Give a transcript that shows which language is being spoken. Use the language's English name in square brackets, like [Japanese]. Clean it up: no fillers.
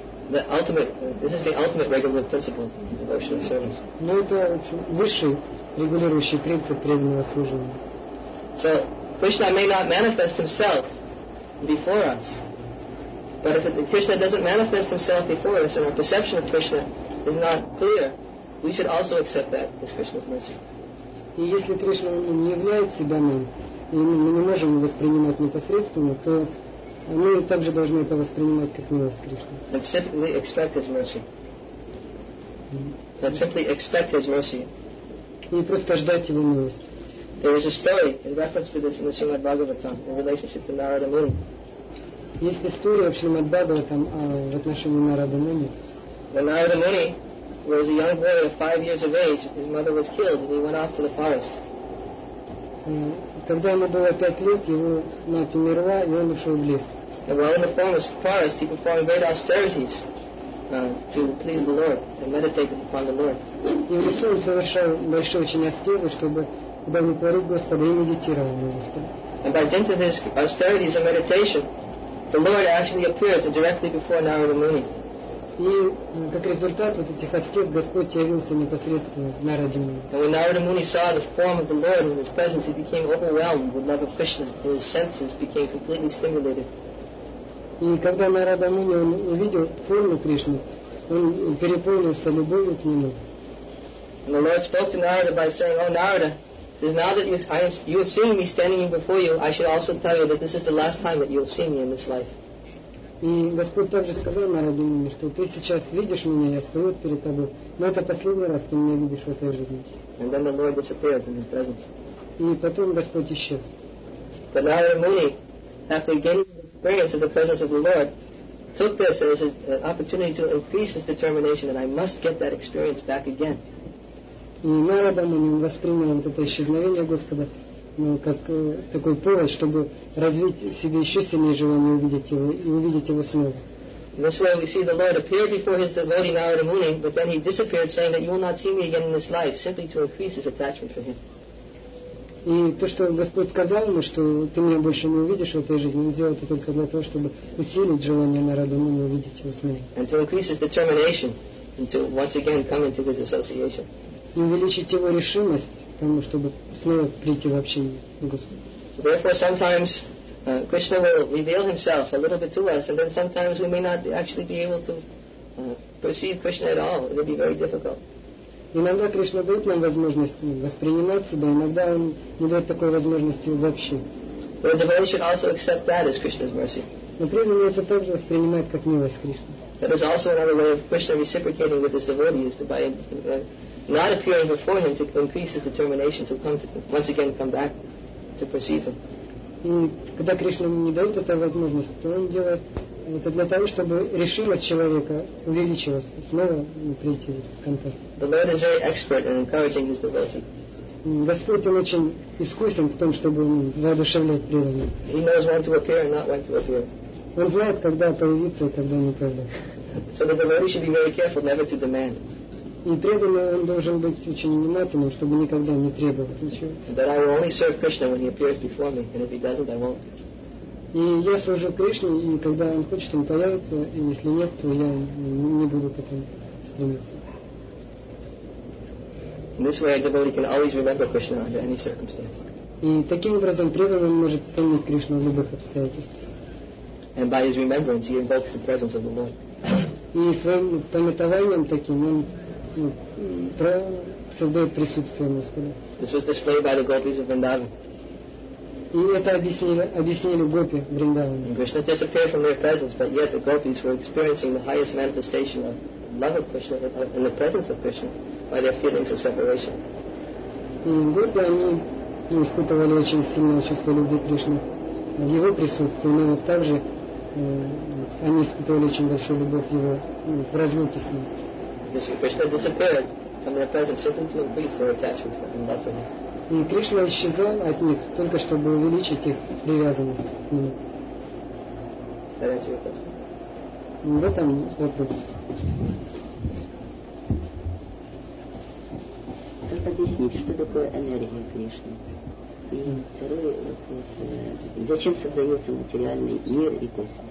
[English] This is the ultimate regulative principle of devotional service. [Russian] Но это высший регулирующий принцип преданного служения. [English] So Krishna may not manifest himself before us. But if Krishna doesn't manifest himself before us and our perception of Krishna is not clear, we should also accept that as Krishna's mercy. [Russian] И если Кришна не являет себя нам, и мы не можем его воспринимать непосредственно, то мы также должны это воспринимать как милость Кришны. [English] And simply expect His mercy. And simply expect His mercy. [Russian] И просто ждать Его милости. [English] There is a story in reference to this in the Srimad Bhagavatam in relationship to Narada Muni. [Russian] Есть история в Шримад Бхагаватам в отношении Нарада Муни. [English] When Narada Muni was a young boy of 5 years of age, his mother was killed and he went off to the forest. [Russian] Когда ему было 5 лет, его мать умерла, и он ушел в лес. [English] And while in the forest, he performed great austerities to please the Lord and meditated upon the Lord. [Russian] И в лесу он совершал большие очень аскезы, чтобы удовлетворить Господа и медитировал на Господа. [English] And by dint of his austerities and meditation, the Lord actually appeared directly before Narada Muni. [Russian] И как результат вот этих аскез Господь явился непосредственно в Нараде Муни. [English] And when Narada Muni saw the form of the Lord in His presence, he became overwhelmed with love of Krishna. His senses became completely stimulated. [Russian] И когда Нарада Муни увидел форму Кришны, он переполнился любовью к Нему. [English] And the Lord spoke to Narada by saying, "Oh Narada, since now that you have seen me standing before you, I should also tell you that this is the last time that you will see me in this life." [Russian] И Господь также сказал Нараде Муни, что ты сейчас видишь меня, я стою перед тобой, но это последний раз, ты меня видишь в этой жизни. [English] And then the Lord disappeared in His presence. [Russian] И потом Господь исчез. [English] But Narada Muni, after gaining the experience of the presence of the Lord, took this as an opportunity to increase his determination that I must get that experience back again. [Russian] И Нарада Муни воспринял вот это исчезновение Господа как такой повод, чтобы развить себе еще сильнее желание увидеть его и увидеть его снова. [English] This way we see the Lord appear before his devotee Narada Muni, but then he disappeared, saying that you will not see me again in this life, simply to increase his attachment for him. [Russian] И то, что Господь сказал ему, что ты меня больше не увидишь в этой жизни, он сделал это только для того, чтобы усилить желание Нарада Муни увидеть его снова. [English] And to increase his determination, and to once again come into his association. [Russian] и увеличить его решимость к тому, чтобы снова прийти в общение к Господу. [English] Therefore, sometimes Krishna will reveal himself a little bit to us, and then sometimes we may not actually be able to perceive Krishna at all. It will be very difficult. [Russian] Иногда Кришна дает нам возможность воспринимать себя, иногда он не дает такой возможности вообще. [English] But a devotee should also accept that as Krishna's mercy. [Russian] Но преданный это также воспринимает как милость Кришны. [English] That is also another way of Krishna reciprocating with his devotees, to by not appearing before him to increase his determination to come to, once again come back to perceive him. [Russian] И когда Кришна не дает этой возможности, то он делает это для того, чтобы решимость человека увеличилась, снова прийти в контакт. [English] The Lord is very expert in encouraging his devotee. [Russian] Господь, он очень искусен в том, чтобы воодушевлять преданных. [English] He knows when to appear and not when to appear. [Russian] Он знает, когда появиться и когда не появиться. [English] So the devotee should be very careful never to demand. [Russian] И преданный он должен быть очень внимательным, чтобы никогда не требовать ничего. [English] That I will only serve Krishna when he appears before me, and if he doesn't, I won't. [Russian] И я служу Кришне, и когда он хочет, он появится, и если нет, то я не буду к этому стремиться. [English] In this way, a devotee can always remember Krishna under any circumstance. [Russian] И таким образом преданный может помнить Кришну в любых обстоятельствах. [English] And by his remembrance, he invokes the presence of the Lord. [Russian] И своим памятованием таким он создает присутствие Господа. [English] This was displayed by the gopis of Vrindavan. [Russian] И это объяснили гопи Вриндаване. [English] Krishna disappeared from their presence, but yet the gopis were experiencing the highest manifestation of love of Krishna in the presence of Krishna. By their feelings of separation. [Russian] И гопи, они испытывали очень сильное чувство любви Кришны в его присутствии, но вот также они испытывали очень большую любовь его в разлуке с ним. [English] Krishna disappeared from their presence simply to increase their attachment and love for him. [Russian] И Кришна исчезал от них только чтобы увеличить их привязанность к нему. В этом вопрос. Объяснить, что такое энергия Кришны. И второй вопрос, зачем создается материальный мир и космос?